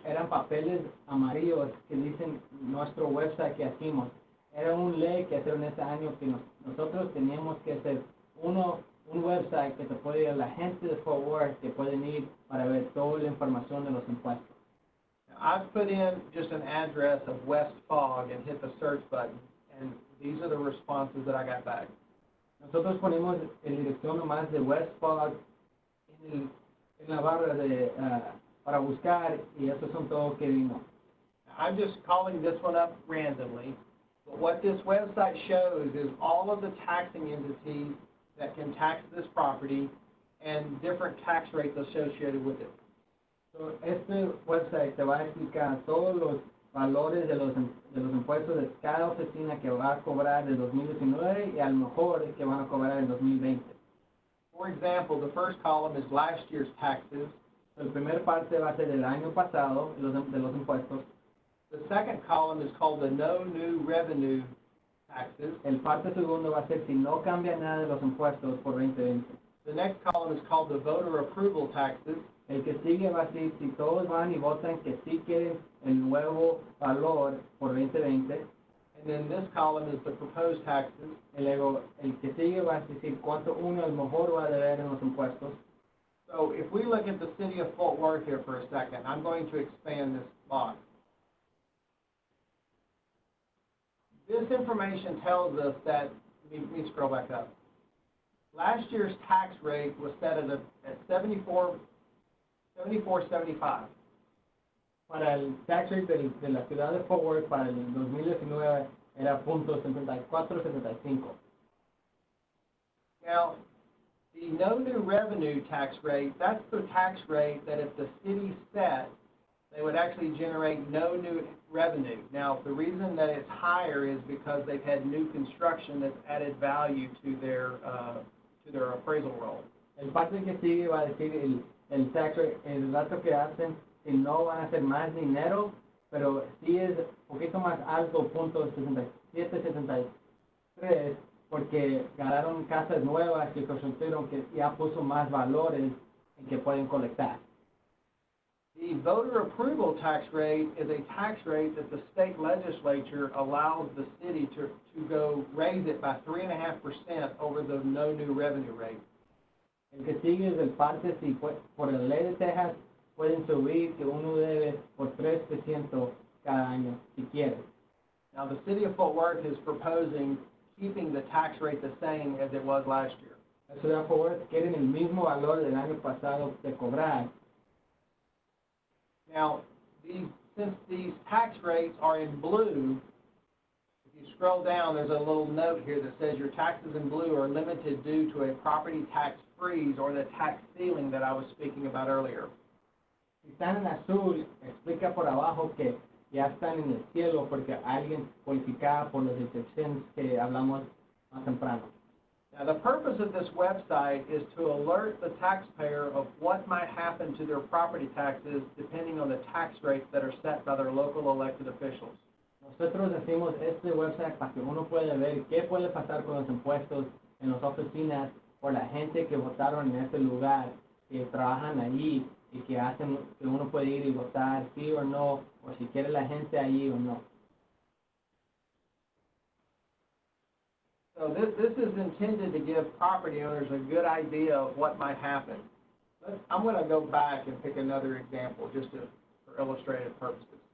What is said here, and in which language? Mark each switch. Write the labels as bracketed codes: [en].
[es] Eran papeles amarillos que dicen nuestro website que hacemos. Era un ley que hacer en este año que nosotros teníamos que hacer un website que te puede ir a la gente de Fort Worth que pueden ir para ver toda la información de los impuestos. [en] I've put in just an address of West Fog and hit the search button, and these are the responses that I got back. [es] Nosotros ponemos el dirección nomás de West Fog en la barra de para buscar, y estos son todos que vimos. [en] I'm just calling this one up randomly, but what this website shows is all of the taxing entities that can tax this property and different tax rates associated with it. [es] So este website te va a explicar todos los valores de los impuestos de cada oficina que va a cobrar en 2019 y a lo mejor que van a cobrar en 2020. [en] For example, the first column is last year's taxes. [es] El primer parte va a ser del año pasado de los impuestos. [en] The second column is called the no new revenue taxes. [es] El parte segundo va a ser si no cambia nada de los impuestos por 2020. [en] The next column is called the voter approval taxes. [es] El que sigue va a ser si todos van y votan que sí quieren el nuevo valor por 2020. [en] And then this column is the proposed taxes. [es] Y luego el que sigue va a decir cuánto uno el mejor va a deber en los impuestos. [en] So if we look at the city of Fort Worth here for a second, I'm going to expand this box. This information tells us that, let me scroll back up. Last year's tax rate was set at 74.75. [es] Para el tax rate de la ciudad de Fort Worth para el 2019 era .74.75. [en] Now, the no new revenue tax rate, that's the tax rate that if the city set, they would actually generate no new revenue. Now, the reason that it's higher is because they've had new construction that's added value to their appraisal role. [es] El parte que sigue va a decir el tax rate, el dato que hacen, y no van a hacer más dinero, pero sí es poquito más alto, .7773, porque ganaron casas nuevas que construyeron que ya puso más valores en que pueden colectar. [en] The voter approval tax rate is a tax rate that the state legislature allows the city to go raise it by 3.5% over the no new revenue rate. [es] El que sigue es el parte si por la ley de Texas pueden subir que uno debe por 3% cada año si quiere. [en] Now the city of Fort Worth is proposing keeping the tax rate the same as it was last year. [es] La ciudad de Fort Worth quieren el mismo valor del año pasado de cobrar. [en] Now, since these tax rates are in blue, if you scroll down, there's a little note here that says your taxes in blue are limited due to a property tax freeze or the tax ceiling that I was speaking about earlier. [es] Si Si están en azul, explica por abajo que ya están en el cielo porque alguien cualificaba por las excepciones que hablamos más temprano. [en] Now, the purpose of this website is to alert the taxpayer of what might happen to their property taxes depending on the tax rates that are set by their local elected officials. [es] Nosotros hacemos este website para que uno pueda ver qué puede pasar con los impuestos en las oficinas por la gente que votaron en este lugar, que trabajan allí y que hacen que uno puede ir y votar sí o no, o si quiere la gente allí o no. [en] So this is intended to give property owners a good idea of what might happen. I'm going to go back and pick another example just for illustrative purposes.